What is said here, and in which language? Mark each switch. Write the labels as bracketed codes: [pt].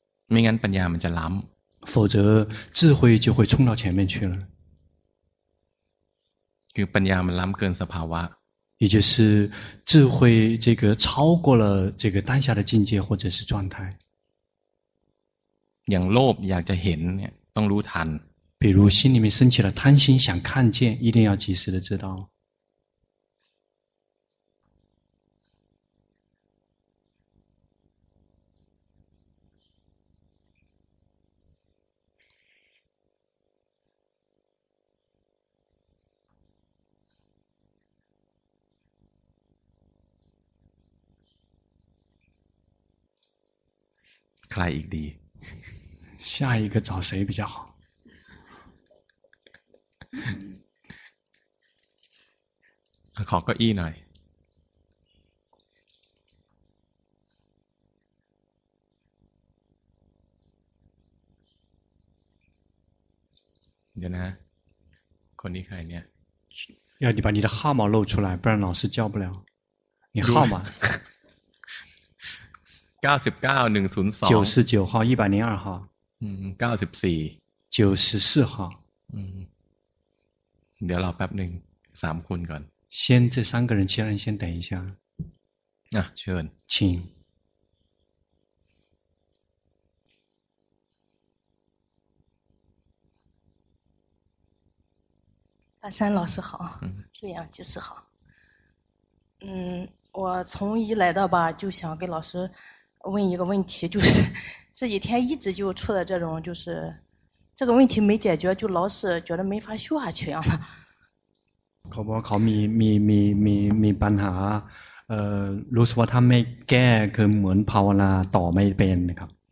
[th] ไม่งั้นปัญญามันจะล้ำ [zh] 否则智慧就会冲到前面去了 [th] คือปัญญามันล้ำเกินสภาวะ [zh] 也就是智慧这个超过了这个当下的境界或者是状态 [th] อย่างโลภอยากจะเห็นเนี่ยต้องรู้ทัน [zh] 比如心里面升起了贪心想看见一定要及时的知道 [th] ใครอีกดี [zh] 下一个找谁比较好 [th] ขอเก้าอี้หน่อยเดี๋ยวนะคนนี้ใครเนี่ย [zh] 要你把你的号码露出来不然老师叫不了你号码 [th] 99102 [zh] 99号102号 [th] 94 [zh] 94号 [th] เดี๋ยวรอแป๊บหนึ่ง3คนก่อน [zh] 先这三个人其他人先等一下 [th] เชิญ [zh] 请阿三老师好这样就是好我从一来到吧就想给老师问一个问题就是这几天一直就出了这种就是这个问题没解决就老是觉得没法修下去啊 [th] เขาบอกเขามีปัญหารู้สึกว่าถ้าไม่แก้คือเหมือนภาวนาต่อไม่เป็นนะครับ